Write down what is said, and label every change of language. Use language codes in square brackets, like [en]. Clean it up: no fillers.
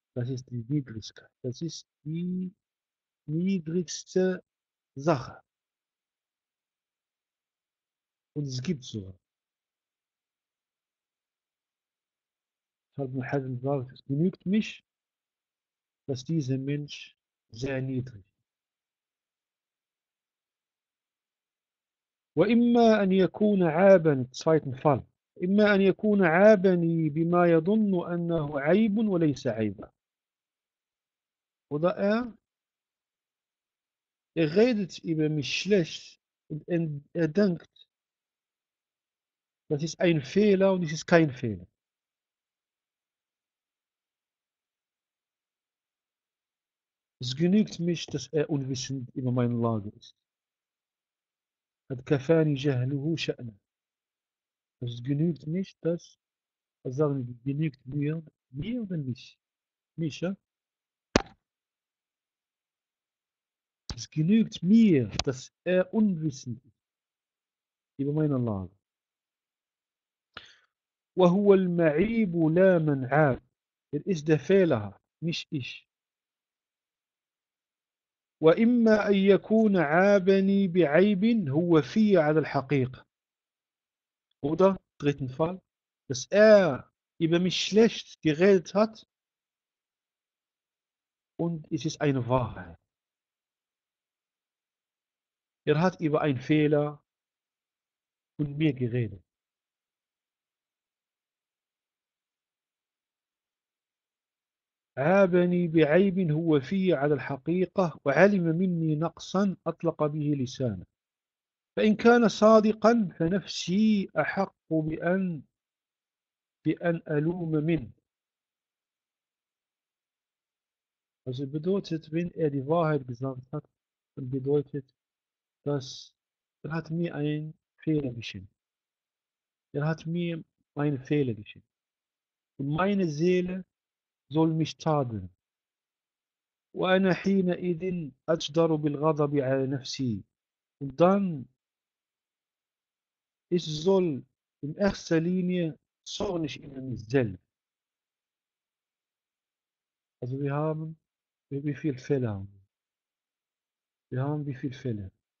[de] Das ist die Niedrigkeit. Das ist die niedrigste Sache. Und es gibt sogar. Ibn Hazm sagt, es genügt mich, dass dieser Mensch sehr niedrig ist. [ar] وَإِمَّا أَنْ يَكُونَ عَابًا [de] zweiten Fall. [ar] إِمَّا أَنْ يَكُونَ عَابًا بِمَا يَظُنُّ أَنَّهُ عَيْبٌ وَلَيْسَ عَيْبًا. [de] Oder er redet über mich schlecht und er denkt, das ist ein Fehler und es ist kein Fehler. Es genügt mich, dass er unwissend über meine Lage ist. Hat [ar] kafani jahluhu sha'na. [de] Es genügt mich, dass er sagen, es genügt mir oder nicht? Mich, ja? Es genügt mir, dass er unwissend ist über meine Lage. [ar] وهو المعيب لا من عاب. [en] It is the [ar] فعلها مش إيش. وإما أن يكون عابني بعيب هو في على الحقيقة. [de] Oder dritten Fall, dass über mich schlecht geredet hat und es ist eine Wahrheit. Hat über einen Fehler und mir geredet. [ar] عابني بعيب هو في على الحقيقة وعلم مني نقصا أطلق به لسانه فإن كان صادقا فنفسي أحق بأن ألوم منه. [de] Also bedeutet, wenn die Wahrheit gesagt hat, dann bedeutet, dass hat mir einen Fehler geschehen. Hat mir einen Fehler geschehen. Und meine Seele soll mich tadeln. [ar] وأنا حينئذ أجدر بالغضب على نفسي. [de] Und dann ich soll in erster Linie zornig in mich selbst. Also wir haben wie viel Fälle haben wir? Wir haben wie viel Fälle?